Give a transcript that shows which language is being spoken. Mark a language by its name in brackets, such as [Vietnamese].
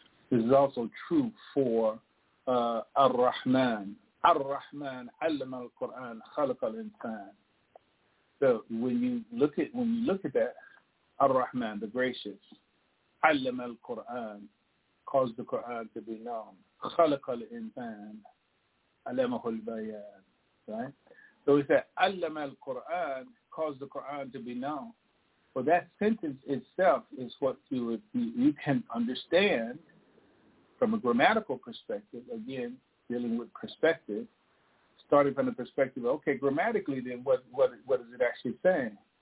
[English] This is also true for Ar-Rahman. [Arabic] Ar-Rahman, Allam al-Quran, Khalaq al-Insan. [English] So when you look at that, Ar-Rahman, the gracious, [Arabic] Allam al-Quran, [English] caused the Quran to be known. [Arabic] خلق الإنسان علمه البيان. [English] Right? So we say [Arabic] علم القرآن [English] caused the Quran to be known. Well, that sentence itself is what you can understand from a grammatical perspective. Again, dealing with perspective, starting from the perspective, okay, grammatically, then what is it actually saying?